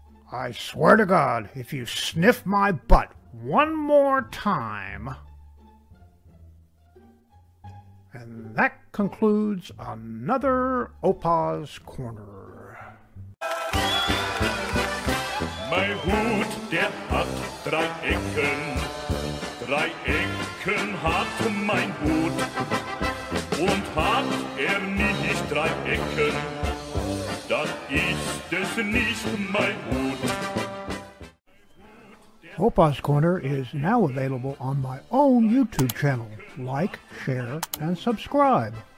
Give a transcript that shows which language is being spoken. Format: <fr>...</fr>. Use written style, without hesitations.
<en>I swear to God, if you sniff my butt one more time... And that concludes another Opa's Corner.</en> <de>Mein Hut, der hat drei Ecken. Drei Ecken hat mein Hut. Und hat nicht drei Ecken, dann ist es nicht mein Hut.</de> <en>Opa's Corner is now available on my own YouTube channel. Like, share, and subscribe.</en>